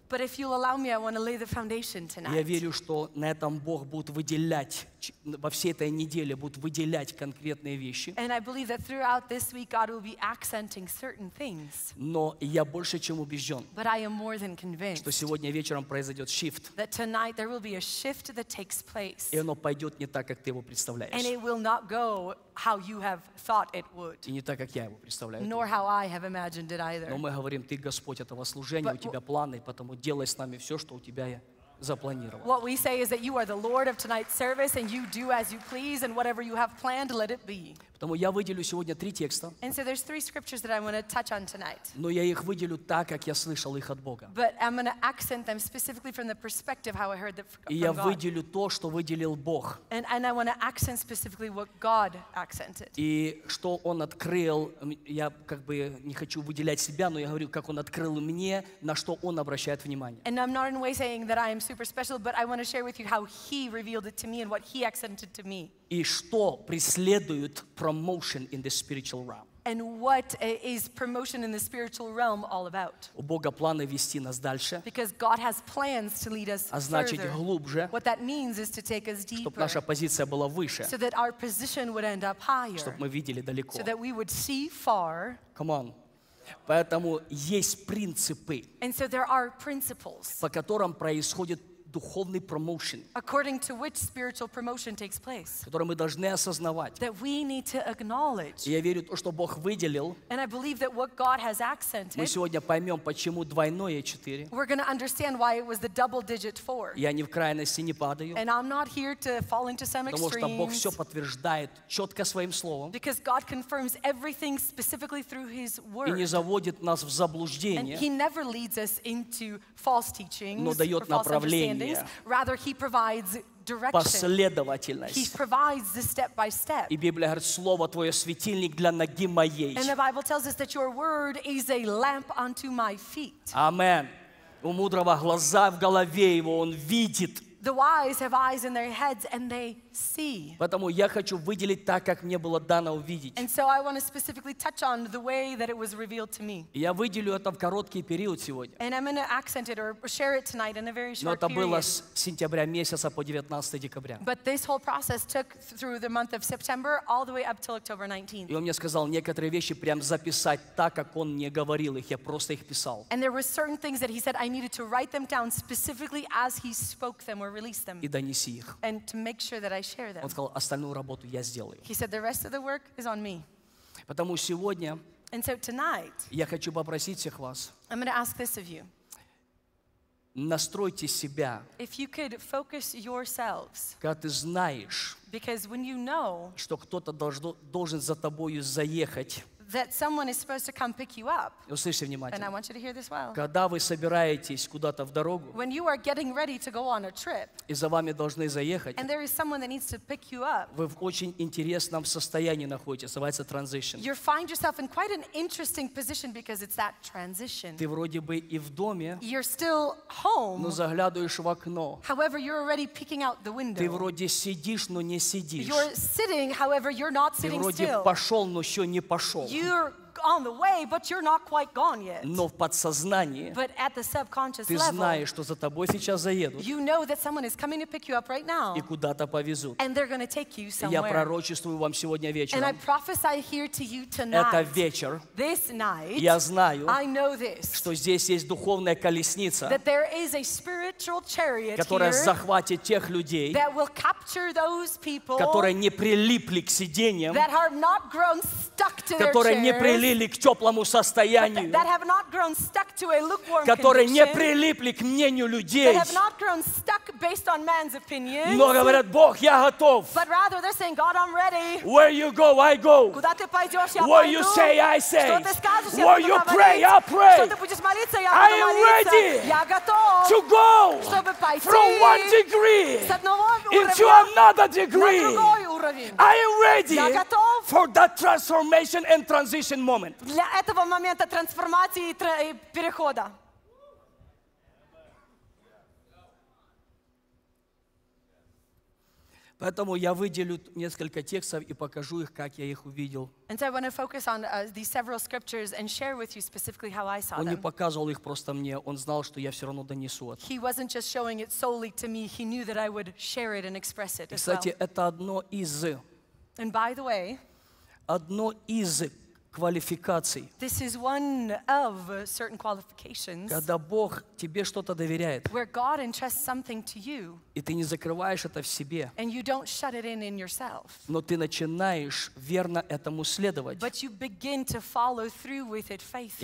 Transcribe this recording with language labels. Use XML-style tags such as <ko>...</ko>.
<en>But if you'll allow me, I want to lay the foundation tonight.</en> <ru>Я верю, что на этом Бог будет выделять. Во всей этой неделе будут выделять конкретные вещи.</ru> <en>And I believe that throughout this week God will be accenting certain things.</en> <ru>Но я больше чем убежден.</ru> <en>But I am more than convinced.</en> <ru>Что сегодня вечером произойдет shift.</ru> <en>That tonight there will be a shift that takes place.</en> <ru>И оно пойдет не так, как ты его представляешь.</ru> <en>And it will not go how you have thought it would.</en> <ru>И не так, как я его представляю.</ru> <en>Nor how I have imagined it either.</en> <ru>Но мы говорим, ты Господь этого служения, у тебя планы, поэтому делай с нами все, что у тебя есть.</ru> <en>What we say is that you are the Lord of tonight's service and you do as you please and whatever you have planned, let it be.</en> <ru>Потому я выделю сегодня три текста.</ru> <en>And so there's three scriptures that I want to touch on tonight.</en> <ru>Но я их выделю так, как я слышал их от Бога.</ru> <en>But I'm going to accent them specifically from the perspective how I heard them from God.</en> <ru>И я выделю то, что выделил Бог.</ru> <en>And I want to accent specifically what God accented.</en> <ru>И что Он открыл, я как бы не хочу выделять себя, но я говорю, как Он открыл мне, на что Он обращает внимание.</ru> <en>And I'm not in a way saying that I am super special, but I want to share with you how He revealed it to me and what He accented to me.</en> <ru>И что преследует</ru> <en>promotion in the spiritual realm. And what is promotion in the spiritual realm all about?</en> <ru>У Бога планы вести нас дальше.</ru> <en>Because God has plans to lead us further.</en> <ru>А значит, глубже.</ru> <en>What that means is to take us deeper.</en> <ru>Чтобы наша позиция была выше.</ru> <en>So that our position would end up higher.</en> <ru>Чтобы мы видели далеко.</ru> <en>So that we would see far. Come on.</en> <ru>Поэтому есть принципы.</ru> <en>And so there are principles.</en> <ru>По которым происходит духовный промоушен,</ru> <en>according to which spiritual promotion takes place,</en> <ru>который мы должны осознавать.</ru> <en>That we need to acknowledge.</en> <ru>И я верю, то, что Бог выделил,</ru> <en>and I believe that what God has accented,</en> <ru>мы сегодня поймем, почему двойное четыре.</ru> <en>We're going to understand why it was the double digit four.</en> <ru>Я не в крайности не падаю.</ru> <en>And I'm not here to fall into some</en> <ru>потому</ru> <en>extremes.</en> <ru>Потому что Бог все подтверждает четко своим словом.</ru> <en>Because God confirms everything specifically through His word.</en> <ru>И не заводит нас в заблуждение.</ru> <en>And He never leads us into false teachings.</en> <ru>Но дает направление.</ru> <en>Rather, he provides direction. He provides the step by step.</en> <ru>И Библия говорит, слово твое светильник для ноги моей.</ru> <en>And the Bible tells us that your word is a lamp unto my feet. Amen.</en> <ru>У мудрого глаза в голове его, он видит.</ru> <en>The wise have eyes in their heads and they see.</en> <ru>Поэтому я хочу выделить так, как мне было дано увидеть.</ru> <en>And so I want to specifically touch on the way that it was revealed to me.</en> <ru>Я выделю это в короткий период сегодня.</ru> <en>And I'm going to accent it or share it tonight in a very short period.</en> <ru>Но это было</ru> <en>period.</en> <ru>С сентября месяца по 19 декабря.</ru> <en>But this whole process took through the month of September all the way up till October 19th.</en> <ru>И он мне сказал некоторые вещи прям записать так, как он мне говорил их. Я просто их писал.</ru> <en>And there were certain things that he said I needed to write them down specifically as he spoke them. Release them and to make sure that I share them. He said, the rest of the work is on me.</en> <ru>Сегодня,</ru> <en>and so tonight,</en> <ru>я хочу попросить всех вас,</ru> <en>I'm going to ask this of you.</en> <ru>Настройте себя,</ru> <en>if you could focus yourselves,</en> <ru>когда ты знаешь,</ru> <en>because when you know</en> <ru>что кто-то должен за тобою заехать,</ru> <en>that someone is supposed to come pick you up.</en> <ru>Услышьте внимательно.</ru> <en>And I want you to hear this well.</en> <ru>Когда вы собираетесь куда-то в дорогу,</ru> <en>when you are getting ready to go on a trip,</en> <ru>и за вами должны заехать,</ru> <en>and there is someone that needs to pick you up,</en> <ru>вы в очень интересном состоянии находитесь, называется transition.</ru> <en>You find yourself in quite an interesting position because it's that transition.</en> <ru>Ты вроде бы и в доме,</ru> <en>you're still home,</en> <ru>но заглядываешь в окно.</ru> <en>However, you're already peeking out the window.</en> <ru>Ты вроде сидишь, но не сидишь.</ru> <en>You're sitting, however, you're not sitting still.</en> <ru>Ты вроде</ru> <en>still.</en> <ru>Пошел, но еще не пошел.</ru> <en>You're on the way, but you're not quite gone yet.</en> <ru>Но в подсознании,</ru> <en>but at the subconscious</en> <ru>ты знаешь, level, что за тобой сейчас заедут,</ru> <en>you know that someone is coming to pick you up right now.</en> <ru>И куда-то повезут.</ru> <en>And they're going to take you somewhere.</en> <ru>Я пророчествую вам сегодня вечером.</ru> <en>And I prophesy here to you tonight.</en> <ru>Это вечер.</ru> <en>This night.</en> <ru>Я знаю,</ru> <en>I know this.</en> <ru>Что здесь есть духовная колесница,</ru> <en>that there is a spiritual chariot,</en> <ru>которая</ru> <en>here,</en> <ru>захватит тех людей,</ru> <en>that will capture those people,</en> <ru>которые не прилипли к сиденьям,</ru> <en>that are not grown stuck to their</en> <ru>которые не прилипли к теплому состоянию,</ru> <en>that have not grown stuck to a lukewarm,</en> <ru>которые не прилипли к мнению людей,</ru> <en>that have not grown stuck based on man's opinions,</en> <ru>но говорят, Бог, я готов.</ru> <en>But rather they're saying, God, I'm ready. Where you go, I go.</en> <ru>Куда ты пойдешь, я</ru> <en>where</en> <ru>пойду.</ru> <en>You say, I say.</en> <ru>Что ты скажешь,</ru> <en>where</en> <ru>я</ru> <en>you</en> <ru>говорить.</ru> <en>Pray, I pray.</en> <ru>Что ты будешь молиться, я буду</ru> <en>I am</en> <ru>молиться.</ru> <en>Ready</en> <ru>я готов,</ru> <en>to go</en> <ru>чтобы пойти</ru> <en>from one degree</en> <ru>с одного</ru> <en>into</en> <ru>уровня</ru> <en>another degree.</en> <ru>На другой уровень.</ru> <en>I am ready</en> <ru>я готов.</ru> <en>For that transformation and transition moment.</en> <ru>Для этого момента трансформации и перехода. Поэтому я выделю несколько текстов и покажу их, как я их увидел.</ru> <en>And so I want to focus on these several scriptures and share with you specifically how I saw them.</en> <ru>Он не показывал их просто мне. Он знал, что я все равно донесу это.</ru> <en>He wasn't just showing it solely to me. He knew that I would share it and express it.</en> <ru>И, кстати,</ru> <en>well.</en> <ru>Это одно из.</ru> <en>And by the way,</en> <ru>одно из.</ru> <en>This is one of certain qualifications.</en> <ru>Когда Бог тебе что-то доверяет,</ru> <en>where God entrusts something to you,</en> <ru>и ты не закрываешь это в себе,</ru> <en>and you don't shut it in yourself,</en> <ru>но ты начинаешь верно этому следовать,</ru> <en>but you begin to follow through with it faithfully,</en>